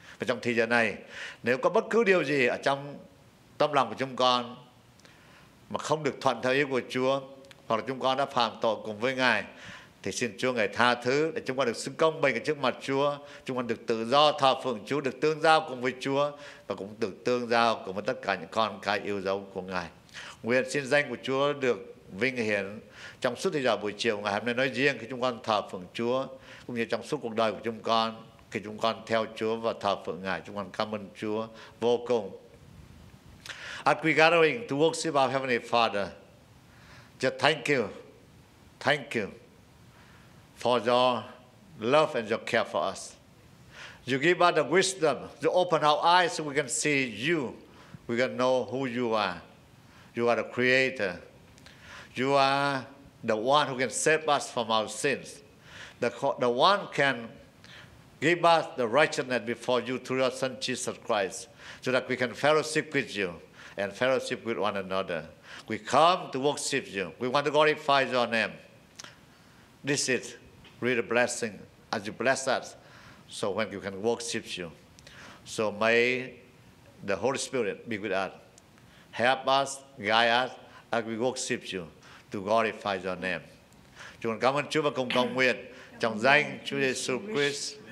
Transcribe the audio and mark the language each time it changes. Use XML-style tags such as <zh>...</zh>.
<vi>Và trong thời giờ này, nếu có bất cứ điều gì ở trong tâm lòng của chúng con mà không được thuận theo ý của Chúa, hoặc là chúng con đã phạm tội cùng với Ngài, thì xin Chúa Ngài tha thứ để chúng con được xứng công bình ở trước mặt Chúa, chúng con được tự do thờ phượng Chúa, được tương giao cùng với Chúa và cũng được tương giao cùng với tất cả những con cái yêu dấu của Ngài. Nguyện xin danh của Chúa được vinh hiển trong suốt thời giờ buổi chiều ngày hôm nay nói riêng khi chúng con thờ phượng Chúa, cũng như trong suốt cuộc đời của chúng con khi chúng con theo Chúa và thờ phượng Ngài. Chúng con cảm ơn Chúa vô cùng.</vi> <en>As we gathering to worship our Heavenly Father, just thank you for your love and your care for us. You give us the wisdom, to open our eyes so we can see you, we can know who you are. You are the Creator. You are the one who can save us from our sins. The one can give us the righteousness before you through your Son Jesus Christ, so that we can fellowship with you and fellowship with one another. We come to worship you. We want to glorify your name. This is really a blessing as you bless us, so when we can worship you. So may the Holy Spirit be with us. Help us, guide us as we worship you to glorify your name.</en> <vi>Chúng con cảm ơn Chúa và cùng cầu nguyện trong danh Chúa Jesus Christ.</vi>